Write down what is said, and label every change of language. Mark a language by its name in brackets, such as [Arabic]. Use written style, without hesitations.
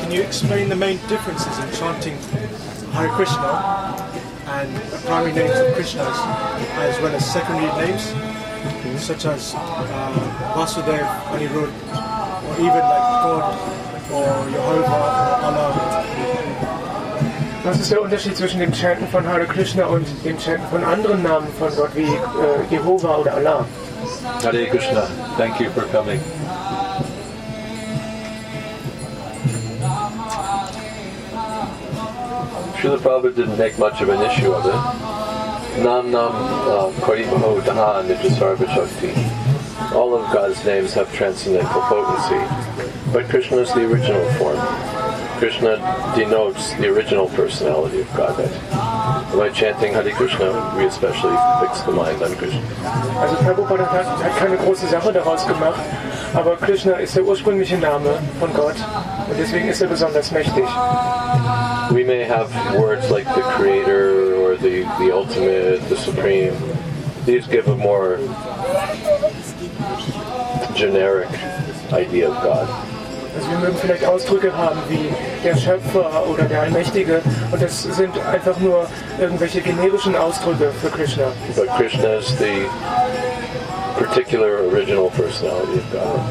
[English] Can you explain the main differences in chanting Hare Krishna and the primary names of Krishnas, as well as secondary names, such as Vasudev, Anirudh, or even like God, or Jehovah, or Allah? [German] Was ist der Unterschied zwischen dem Chanten von Hare Krishna und dem Chanten von anderen Namen von Gott wie Jehova oder Allah? [English] Hare Krishna, thank you for coming. Srila Prabhupada didn't make much of an issue of it. [Sanskrit] Nam Nam Kaurimaho Daha Nijasarva Shakti. [English] All of God's names have transcendental potency, but Krishna is the original form. Krishna denotes the original personality of Godhead. By chanting Hare Krishna, we especially fix the mind on Krishna. [German] Also Prabhupada hat keine große Sache daraus gemacht, aber Krishna ist der ursprüngliche Name von Gott, und deswegen ist besonders mächtig. [English] We may have words like the Creator or the Ultimate, the Supreme. These give a more generic idea of God. [German] wir mögen vielleicht Ausdrücke haben wie der Schöpfer oder der Allmächtige, und das sind einfach nur irgendwelche generischen Ausdrücke für Krishna. [English] But Krishna is the particular original personality of God.